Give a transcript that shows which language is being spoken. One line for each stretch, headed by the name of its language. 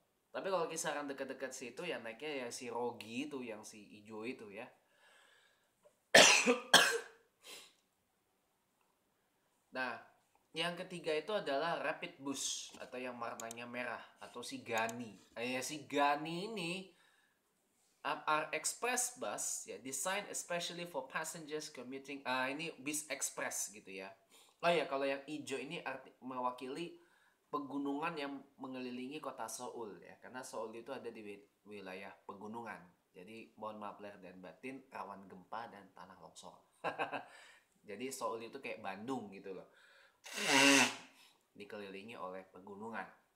Indonesian: Tapi kalau kisaran dekat-dekat situ, yang naiknya ya si Rogi itu, yang si hijau itu ya. Nah, yang ketiga itu adalah rapid bus atau yang warnanya merah atau si Gani. Ya, si Gani ini
English: are express bus ya, designed especially for passengers commuting.
Indonesian: Ini bus express gitu ya. Oh ya, kalau yang hijau ini mewakili pegunungan yang mengelilingi kota Seoul ya, karena Seoul itu ada di wilayah pegunungan. Jadi mohon maaf lahir dan batin, rawan gempa dan tanah longsor. Jadi Seoul itu kayak Bandung gitu loh, dikelilingi oleh pegunungan.